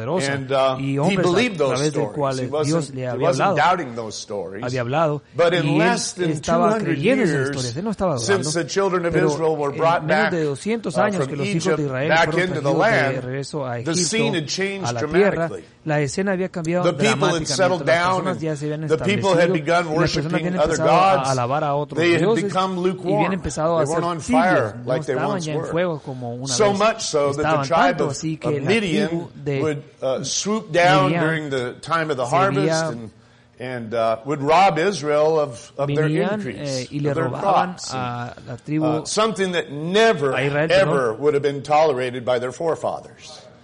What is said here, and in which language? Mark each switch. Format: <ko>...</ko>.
<en>and he believed those stories. He wasn't doubting those stories. But in less than 200 years since the children of Israel were brought back from Egypt back into the land, the scene had changed dramatically.</en> <es>La escena había cambiado dramáticamente.</es> <en>The people had begun worshiping other gods. They had become lukewarm. They weren't on fire like they once were. So much so that the tribe of Midian would swoop down during the time of the harvest and would rob Israel of their increase, of their crops, something that never, ever would have been tolerated by their forefathers.</en>